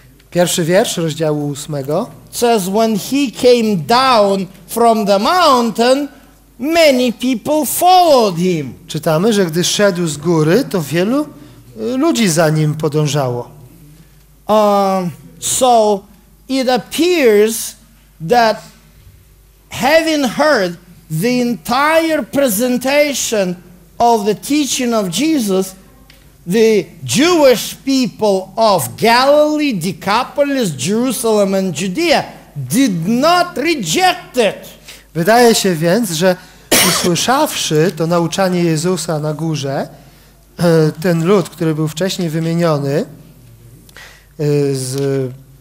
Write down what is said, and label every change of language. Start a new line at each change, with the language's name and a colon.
Polish: Pierwszy wiersz rozdziału 8.
English: Says when he came down from the mountain, many people followed him.
Polish: Czytamy, że gdy szedł z góry, to wielu ludzi za nim podążało.
English: So it appears that having heard the entire presentation of the teaching of Jesus, the Jewish people of Galilee, Decapolis, Jerusalem and Judea did not reject it.
Polish: Wydaje się więc, że usłyszawszy to nauczanie Jezusa na górze, ten lud, który był wcześniej wymieniony z...